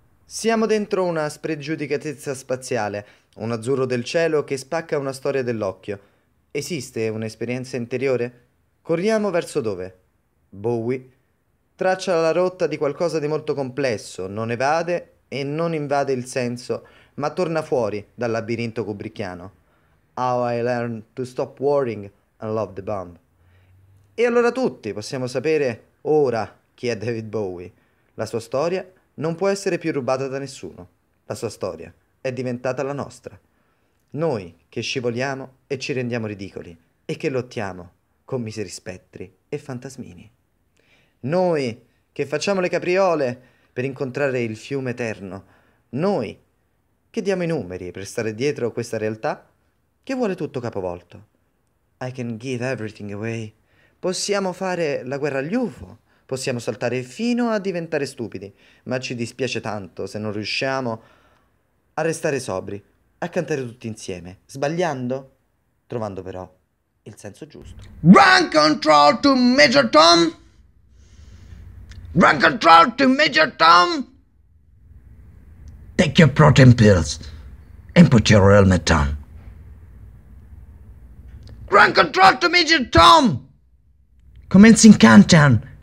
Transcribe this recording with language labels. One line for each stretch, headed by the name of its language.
Italian: Siamo dentro una spregiudicatezza spaziale, un azzurro del cielo che spacca una storia dell'occhio. Esiste un'esperienza interiore? Corriamo verso dove? Bowie traccia la rotta di qualcosa di molto complesso, non evade e non invade il senso, ma torna fuori dal labirinto kubrickiano.
English: How I learned to stop worrying and love the bomb.
Italian: E allora tutti possiamo sapere ora chi è David Bowie. La sua storia non può essere più rubata da nessuno. La sua storia è diventata la nostra. Noi che scivoliamo e ci rendiamo ridicoli e che lottiamo con miseri spettri e fantasmini. Noi che facciamo le capriole per incontrare il fiume eterno. Noi che diamo i numeri per stare dietro questa realtà che vuole tutto capovolto.
English: I can give everything away.
Italian: Possiamo fare la guerra agli UFO. Possiamo saltare fino a diventare stupidi, ma ci dispiace tanto se non riusciamo a restare sobri, a cantare tutti insieme, sbagliando, trovando però il senso giusto.
English: Run control to Major Tom! Run control to Major Tom! Take your protein pills and put your helmet on. Run control to Major Tom! Commencing countdown!